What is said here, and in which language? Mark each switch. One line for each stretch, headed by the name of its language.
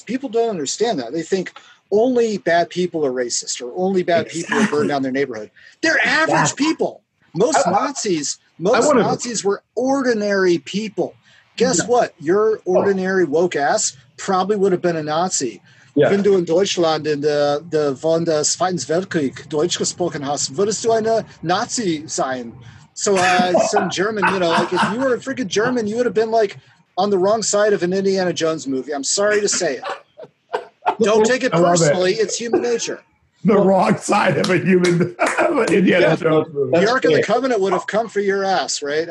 English: People don't understand that. They think only bad people are racist or only bad people burn down their neighborhood. They're average people. Most Nazis were ordinary people. Guess what? Your ordinary woke ass probably would have been a Nazi. Yeah.
German: Wenn du in Deutschland in der von der Zweiten Weltkrieg Deutsch gesprochen hast, würdest du eine Nazi sein?
English: So in German, you know, like if you were a freaking German, you would have been like on the wrong side of an Indiana Jones movie. I'm sorry to say it. Don't take it personally. It's human nature. The wrong side of a human Indiana Jones movie. The Ark of the Covenant would have come for your ass, right?